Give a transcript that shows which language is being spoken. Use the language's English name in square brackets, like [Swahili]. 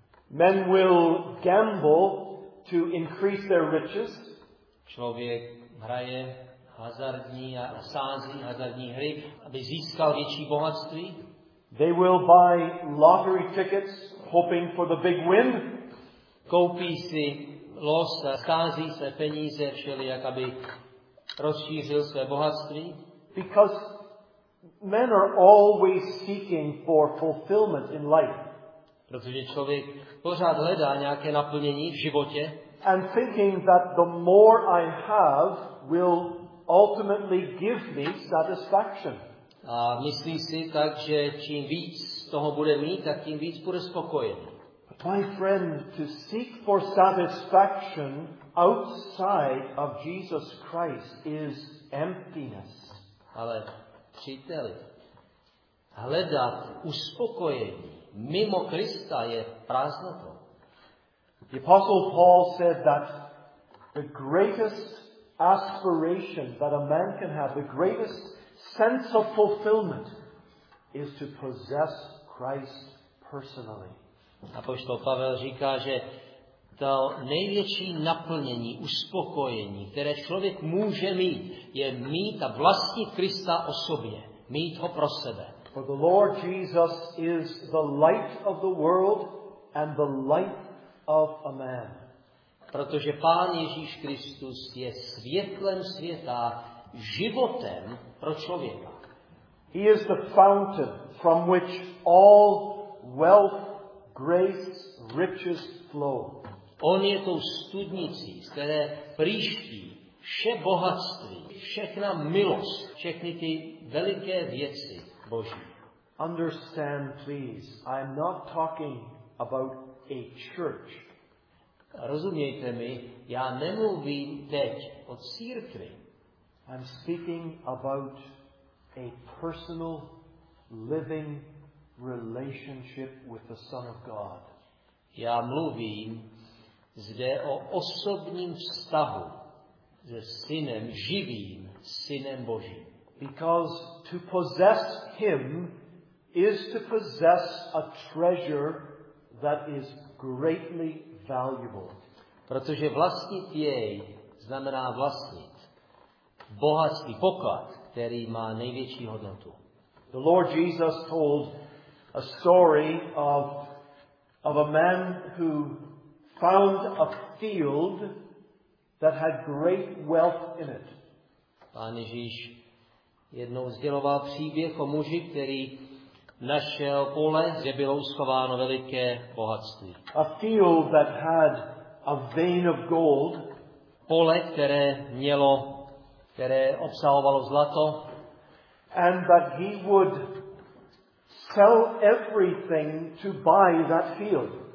[English] Men will gamble to increase their riches. [Czech] Člověk hraje hazardní a sází, hazardní hry, aby získal větší bohatství. [English] They will buy lottery tickets hoping for the big win. [Czech] Koupí si los a schází své peníze všelijak, aby rozšířil své bohatství. [English] Because men are always seeking for fulfillment in life. [Czech] Protože člověk pořád hledá nějaké naplnění v životě. [English] And thinking that the more I have will ultimately give me satisfaction. [Czech] A myslí si tak, že čím víc toho bude mít, tak tím víc bude spokojen. [English] But my friend, to seek for satisfaction outside of Jesus Christ is emptiness. [Czech] Ale příteli, hledat uspokojení mimo Krista je prázdnotou. [English] The Apostle Paul said that the greatest aspiration that a man can have, the greatest sense of fulfillment, is to possess Christ personally. [Czech] Apoštol Pavel říká, že to největší naplnění, uspokojení, které člověk může mít, je mít a vlastnit Krista o sobě, mít ho pro sebe. [English] For the Lord Jesus is the light of the world and the light of a man. [Czech] Protože Pán Ježíš Kristus je světlem světa, životem pro člověka. [English] He is the fountain from which all wealth, grace, riches flow. [Czech] On je tou studnicí, z které prýští vše bohatství, všechna milost, všechny ty veliké věci Boží. [English] Understand please, I'm not talking about a church. [Czech] Rozumějte mi, já nemluvím teď o církvi. [English] I'm speaking about a personal living relationship with the Son of God. [Czech] Já mluvím zde o osobním vztahu se Synem, živým Synem Božím. [English] Because to possess him is to possess a treasure that is greatly valuable. [Czech] Protože vlastnit jej znamená vlastnit bohatství, poklad, který má největší hodnotu. [English] The Lord Jesus told a story of a man who found a field that had great wealth in it. [Czech] Pán Ježíš jednou sděloval příběh o muži, který našel pole, kde bylo schováno veliké bohatství. [English] A field that had a vein of gold. [Czech] Pole, které mělo, které obsahovalo zlato. [English] And that he would sell everything to buy that field.